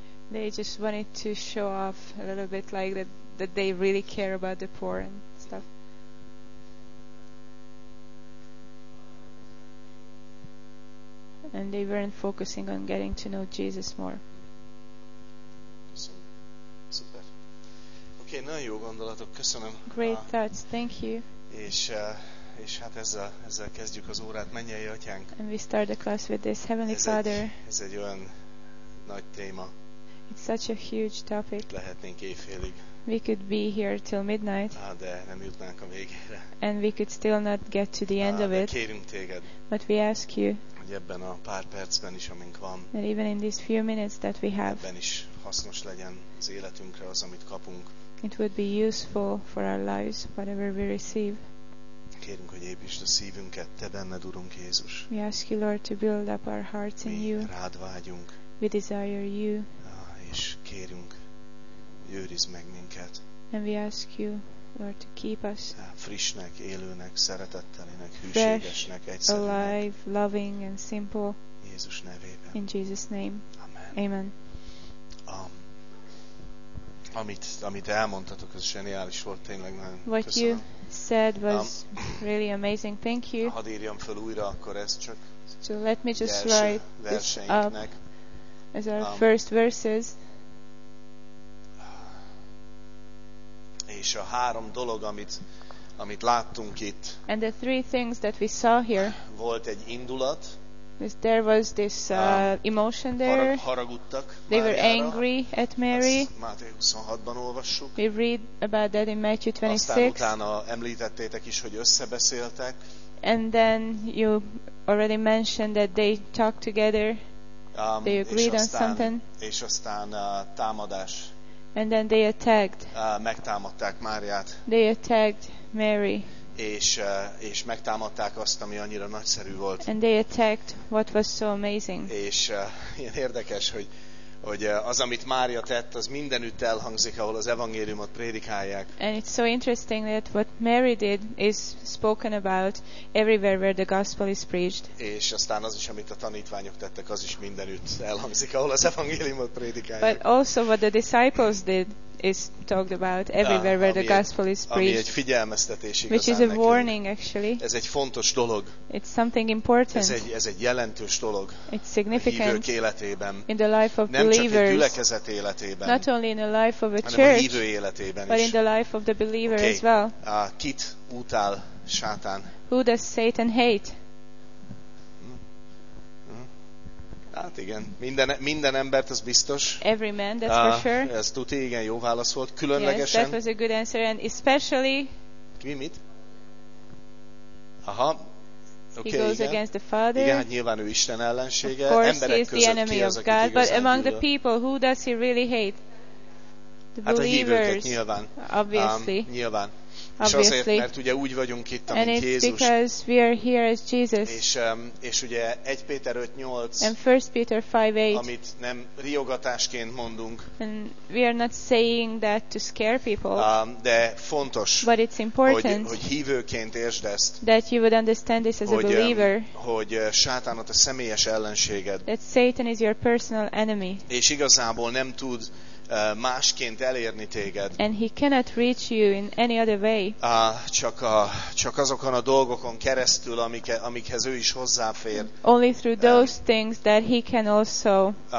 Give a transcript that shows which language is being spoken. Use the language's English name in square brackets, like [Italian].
[English] They just wanted to show off a little bit, like that they really care about the poor and stuff. And they weren't focusing on getting to know Jesus more. [Hungarian] Oké, okay, nagyon jó gondolatok, köszönöm. [English] Great thoughts, thank you. [Hungarian] És hát ezzel kezdjük az órát, mennyei atyánk. [English] And we start the class with this, Heavenly Father. [Hungarian] Ez egy olyan nagy téma. [English] It's such a huge topic. [Hungarian] Lehetnénk éjfélig. [English] We could be here till midnight. [Hungarian] Ah, de nem jutnánk a végére. [English] And we could still not get to the end of it. [Hungarian] Kérünk téged. [English] But we ask you. [Hungarian] Hogy ebben a pár percben is, amink van. [English] And even in these few minutes that we have. [Hungarian] Ebben is hasznos legyen az életünkre az, amit kapunk. [English] It would be useful for our lives, whatever we receive. [Hungarian] Kérünk, hogy építsd a szívünket, te benned, Urunk Jézus. [English] We ask you, Lord, to build up our hearts [Hungarian] Mi [English] in you. [Hungarian] Rád vágyunk. [English] We desire you. [Hungarian] És kérünk, őrizd meg minket. [English] And we ask you, Lord, to keep us. [Hungarian] Frissnek, élőnek, szeretettelinek, hűségesnek, egyszerűnek. [English] Alive, loving and simple. [Hungarian] Jézus nevében. [English] In Jesus' name. [Hungarian] Amen. [English] Amen. [Hungarian] Amit elmondtatok, ez zseniális volt, tényleg nagyon [English] What [Hungarian] köszönöm. [English] You said was really amazing. Thank you. [Hungarian] Hadd írjam fel újra, akkor ez csak. [English] So let me just write this up as our first verses. [Hungarian] És a három dolog, amit láttunk itt. [English] And the three things that we saw here. [Hungarian] Volt egy indulat. [English] There was this emotion there. [Hungarian] Haraguttak. [English] They were angry at Mary. [Hungarian] Máté 26-ban olvassuk. [English] We read about that in Matthew 26. [Hungarian] Aztán utána említettétek is, hogy összebeszéltek. [English] And then you already mentioned that they talked together. They agreed on something. [Hungarian] És aztán támadás. [English] And then they attacked. [Hungarian] Megtámadták Máriát. [English] They attacked Mary. [Hungarian] És megtámadták azt, ami annyira nagyszerű volt. [English] And they attacked what was so amazing. [Hungarian] És ilyen érdekes, hogy az, amit Mária tett, az mindenütt elhangzik, ahol az evangéliumot prédikálják. [English] And it's so interesting that what Mary did is spoken about everywhere where the gospel is preached. [Hungarian] És aztán az is, amit a tanítványok tettek, az is mindenütt elhangzik, ahol az evangéliumot prédikálják. [English] But also what the disciples did is talked about everywhere where the gospel is preached. [Hungarian] Ami egy figyelmeztetés igazán. [English] Which is a warning actually. [Hungarian] Ez egy fontos dolog. [English] It's something important. [Hungarian] Ez egy jelentős dolog. [English] It's significant. [Hungarian] A hívők életében. [English] In the life of [Hungarian] nem [English] believers. [Hungarian] Nem csak egy gyülekezet életében. [English] Not only in the life of a [Hungarian] hanem [English] church. [Hungarian] A hívő életében is. [English] But in the life of the believer okay. as well. [Hungarian] Kit utál Sátán? [English] Who does Satan hate? [Hungarian] Hát igen, minden embert, az biztos. [English] Every man, that's for sure. [Hungarian] Ez tuti, igen, jó válasz volt, különlegesen. [English] Yes, that was a good answer, and especially... [Hungarian] Mi, mit? Aha. Okay, [English] he goes [Hungarian] igen. [English] Against the Father. [Hungarian] Igen, hát nyilván ő Isten ellensége. [English] Of course, [Hungarian] emberek [English] he is the enemy of God, but among the people, who does he really hate? The believers. [Hungarian] Hát a hívőket nyilván. [English] Obviously. [Hungarian] Nyilván. [English] Obviously. [Hungarian] És azért, mert ugye úgy vagyunk itt, amint Jézus. [English] And it's because we are here as Jesus. [Hungarian] És ugye 1 Péter 5:8. [English] And 1 Peter 5:8. [Hungarian] Amit nem riogatásként mondunk. [English] And we are not saying that to scare people. [Hungarian] De fontos. [English] But it's important. [Hungarian] Hogy hívőként értsd ezt. [English] That you would understand this as a believer. [Hungarian] Hogy Sátánat a személyes ellenséged. [English] That Satan is your personal enemy. [Hungarian] És igazából nem tud másként elérni téged. [English] And he cannot reach you in any other way. [Hungarian] Csak azokon a dolgokon keresztül, amikhez ő is hozzáfér. [English] Only through those things that he can also